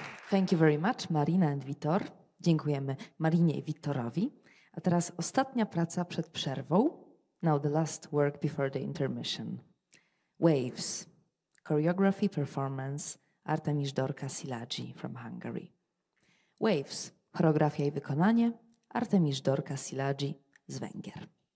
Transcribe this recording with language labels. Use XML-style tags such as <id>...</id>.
<en>Thank you very much, Marina and Vitor.</en> <pl>Dziękujemy Marinie i Vitorowi. A teraz ostatnia praca przed przerwą.</pl> <en>Now the last work before the intermission. Waves. Choreography, performance, Artemis Dorka Szilágyi from Hungary.</en> <pl>Waves. Choreografia i wykonanie, Artemis Dorka Szilágyi z Węgier.</pl>